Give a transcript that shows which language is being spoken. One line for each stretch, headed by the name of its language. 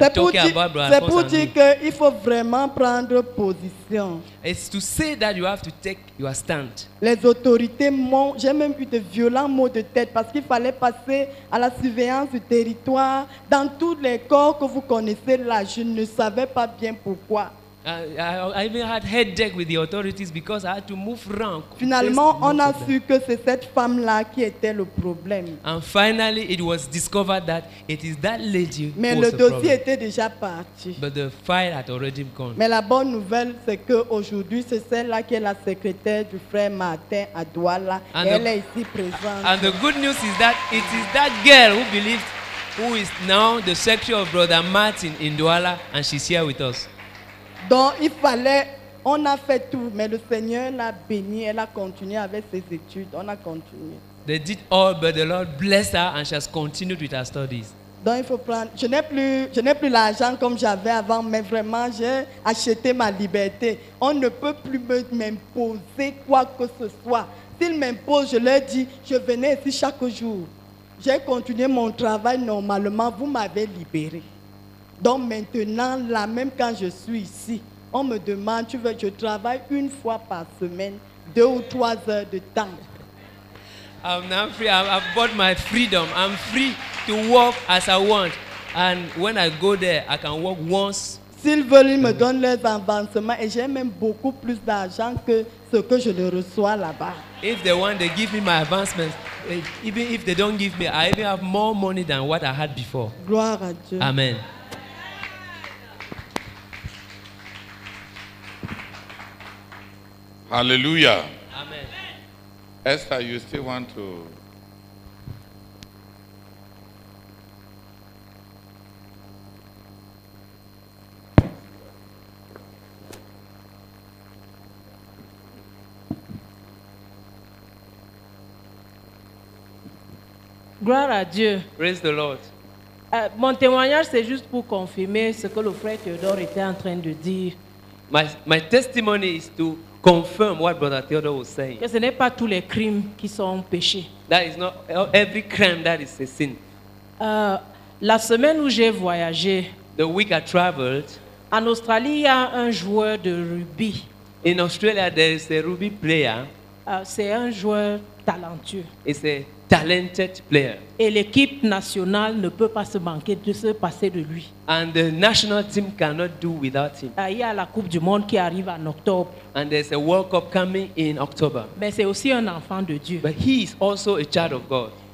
French: c'est
English: talking
French: dire,
English: about brother
French: c'est Alphonse. Pour dire que il faut vraiment prendre position.
English: It's to say that you have to take your stand.
French: Les autorités m'ont, j'ai même eu de violents maux de tête parce qu'il fallait passer à la surveillance du territoire dans tous les corps que vous connaissez là. Je ne savais pas bien pourquoi.
English: I even had headache with the authorities because I had to move around.
French: Finalement, on a su que c'est cette femme-là qui était le problème.
English: And finally, it was discovered that it is that lady.
French: Mais le dossier était déjà parti.
English: But the file had already gone.
French: Mais la bonne nouvelle, c'est que aujourd'hui, c'est celle-là qui est la secrétaire du frère Martin à Douala. Elle est ici présente.
English: And the good news is that it is that girl who believes, who is now the secretary of brother Martin in Douala, and she's here with us.
French: Donc il fallait, on a fait tout, mais le Seigneur l'a béni, elle a continué avec ses études, on a continué.
English: They did all, but the Lord blessed her and she has continued with her studies.
French: Donc il faut prendre, je n'ai plus l'argent comme j'avais avant, mais vraiment j'ai acheté ma liberté. On ne peut plus m'imposer quoi que ce soit. S'ils m'imposent, je leur dis, je venais ici chaque jour. J'ai continué mon travail normalement, vous m'avez libéré. Donc maintenant, là, même quand je suis ici, on me demande, tu veux, je travaille une fois par semaine, deux ou trois heures de temps.
English: I'm free. I've bought my freedom. I'm free to work as I want. And when I go there, I can work once.
French: S'ils veulent, ils me donnent leurs avancements et j'ai même beaucoup plus d'argent que ce que je le reçois là-bas.
English: If they want, they give me my advancements. Even if they don't give me, I even have more money than what I had before.
French: Gloire à Dieu. Amen. Hallelujah. Amen.
English: Esther, you still want to?
French: Gloire à Dieu.
English: Praise the Lord.
French: Mon témoignage, c'est juste pour confirmer ce que le frère Théodore était en train de dire.
English: My testimony is to confirm what Brother Theodore was saying.
French: Que ce n'est pas tous les crimes qui sont péchés.
English: That is not every crime that is a sin.
French: La semaine où j'ai voyagé,
English: the week I traveled,
French: en Australie, il y a un joueur de rugby.
English: In Australia, there is a rugby player.
French: C'est un joueur talentueux.
English: It's a talented player.
French: Et l'équipe nationale ne peut pas se passer de lui.
English: And the national team cannot do without him.
French: Il y a la Coupe du Monde qui arrive en octobre.
English: And there's a World Cup coming in October.
French: Mais c'est aussi un enfant de Dieu.
English: But he is also a child of God.